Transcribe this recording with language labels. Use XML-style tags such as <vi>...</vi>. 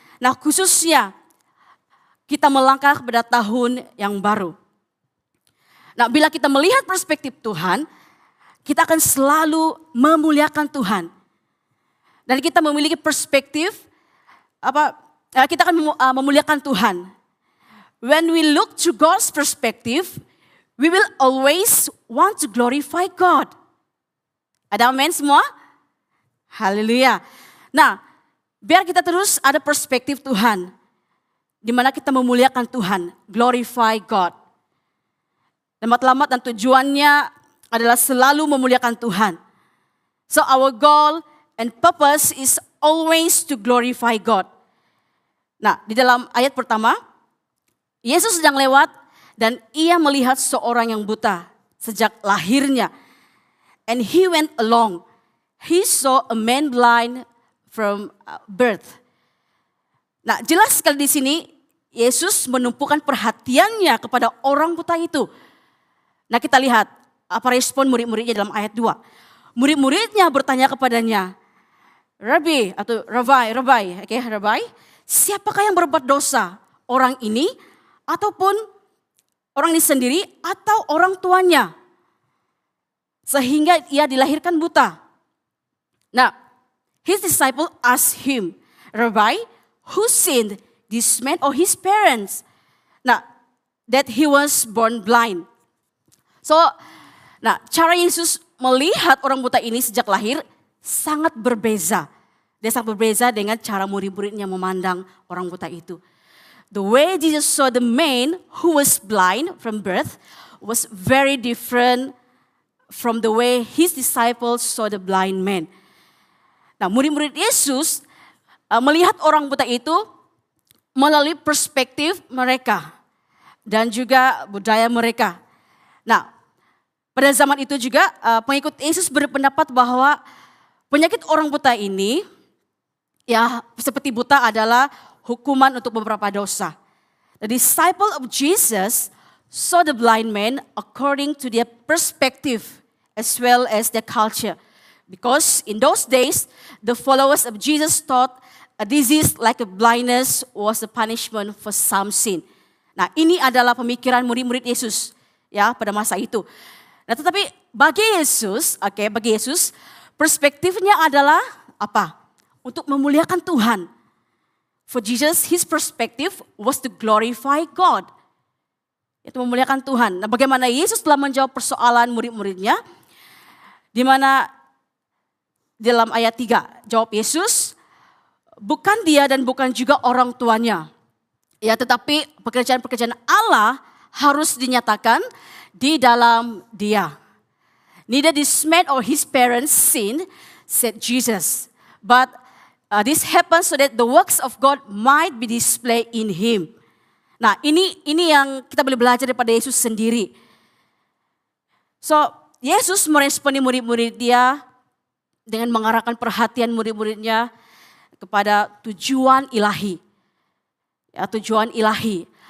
<ms>Nah, khususnya kita melangkah kepada tahun yang baru. Nah, bila kita melihat perspektif Tuhan, kita akan selalu memuliakan Tuhan. Dan kita memiliki perspektif apa? Kita akan memuliakan Tuhan.</ms> <en>When we look to God's perspective, we will always want to glorify God.</en> <ms>Ada amin semua? Haleluya. Nah, biar kita terus ada perspektif Tuhan, di mana kita memuliakan Tuhan,</ms> <en>glorify God.</en> <ms>Dan matlamat dan tujuannya adalah selalu memuliakan Tuhan.</ms> <en>So our goal and purpose is always to glorify God.</en> <ms>Nah, di dalam ayat pertama, Yesus sedang lewat dan ia melihat seorang yang buta sejak lahirnya.</ms> <en>And he went along. He saw a man blind from birth.</en> <ms>Nah, jelas sekali di sini, Yesus menumpukan perhatiannya kepada orang buta itu. Nah, kita lihat apa respon murid-muridnya dalam ayat 2. Murid-muridnya bertanya kepadanya, Rabbi atau Rabbi, siapakah yang berbuat dosa, orang ini ataupun orang ini sendiri atau orang tuanya sehingga ia dilahirkan buta?</ms> <en>Nah, his disciple asked him, Rabbi, who sinned, this man or his parents? Nah, that he was born blind.</en> <ms>So, nah, cara Yesus melihat orang buta ini sejak lahir sangat berbeza. Dia sangat berbeza dengan cara murid-muridnya memandang orang buta itu.</ms> <en>The way Jesus saw the man who was blind from birth was very different from the way his disciples saw the blind man.</en> <ms>Nah, murid-murid Yesus melihat orang buta itu melalui perspektif mereka dan juga budaya mereka. Nah, pada zaman itu juga pengikut Yesus berpendapat bahwa penyakit orang buta ini, ya, seperti buta adalah hukuman untuk beberapa dosa.</ms> <en>The disciple of Jesus saw the blind man according to their perspective as well as their culture. Because in those days, the followers of Jesus thought a disease like a blindness was the punishment for some sin.</en> <ms>Nah, ini adalah pemikiran murid-murid Yesus ya pada masa itu. Nah, tetapi bagi Yesus, bagi Yesus, perspektifnya adalah apa? Untuk memuliakan Tuhan.</ms> <en>For Jesus, his perspective was to glorify God.</en> <ms>Itu memuliakan Tuhan. Nah, bagaimana Yesus telah menjawab persoalan murid-muridnya? Di mana dalam ayat 3, jawab Yesus, bukan dia dan bukan juga orang tuanya. Ya, tetapi pekerjaan-pekerjaan Allah harus dinyatakan di dalam dia.</ms> <en>Neither this man or his parents sinned, said Jesus. But this happened so that the works of God might be displayed in him.</en> <ms>Nah, ini yang kita boleh belajar daripada Yesus sendiri. So, Yesus meresponi murid-murid dia dengan mengarahkan perhatian murid-muridnya kepada tujuan ilahi. Ya, tujuan ilahi.</ms>